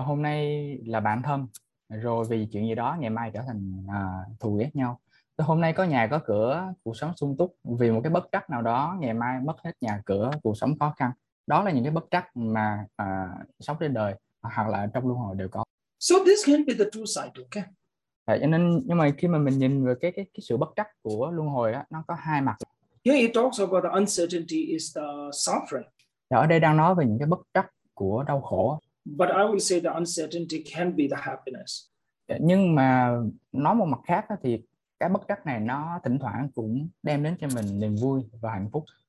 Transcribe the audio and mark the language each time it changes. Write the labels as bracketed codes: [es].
[vi] hôm nay là bạn thân, rồi vì chuyện gì đó ngày mai trở thành thù ghét nhau. Hôm nay có nhà có cửa, cuộc sống sung túc, vì một cái bất trắc nào đó ngày mai mất hết nhà cửa, cuộc sống khó khăn. Đó là những cái bất trắc mà sống trên đời hoặc là trong luân hồi đều có. [en] So this can be the two sides, okay? [vi] Cho nên nhưng mà khi mà mình nhìn về cái sự bất trắc của luân hồi đó, nó có hai mặt. [en] Here it talks about the uncertainty is the suffering. [vi] Ở đây đang nói về những cái bất trắc của đau khổ. [en] But I will say the uncertainty can be the happiness. [vi] Nhưng mà nói một mặt khác đó, thì cái bất trắc này nó thỉnh thoảng cũng đem đến cho mình niềm vui và hạnh phúc.